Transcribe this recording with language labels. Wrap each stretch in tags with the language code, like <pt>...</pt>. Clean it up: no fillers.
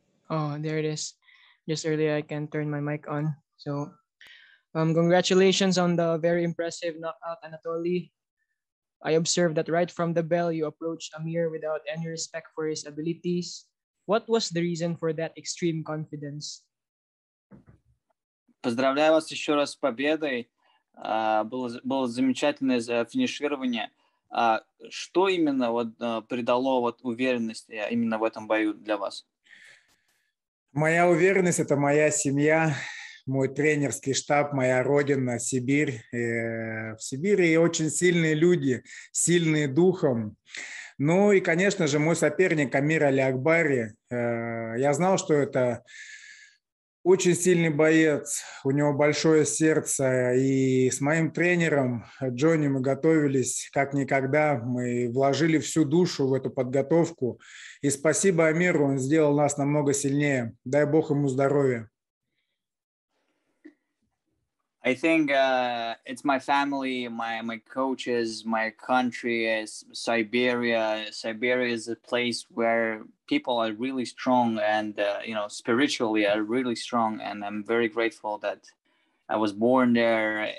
<en>Oh, there it is. Just earlier, I can turn my mic on. So, congratulations on the very impressive knockout, Anatoliy. I observed that right from the bell, you approached Amir without any respect for his abilities. What was the reason for that extreme confidence?</en> <ru>Поздравляю вас еще раз с победой. Было замечательное финиширование. Что именно вот придало вот уверенность именно в этом бою для вас? Моя уверенность – это моя семья, мой тренерский штаб, моя родина, Сибирь. В Сибири очень сильные люди, сильные духом. Ну и, конечно же, мой соперник Амир Аликбари. Я знал, что это очень сильный боец, у него большое сердце. И с моим тренером Джонни мы готовились как никогда. Мы вложили всю душу в эту подготовку. И спасибо Амиру, он сделал нас намного сильнее. Дай Бог ему здоровья.</ru> <en>I think it's my family, my coaches, my country is Siberia. Siberia is a place where people are really strong and, you know, spiritually are really strong. And I'm very grateful that I was born there.</en>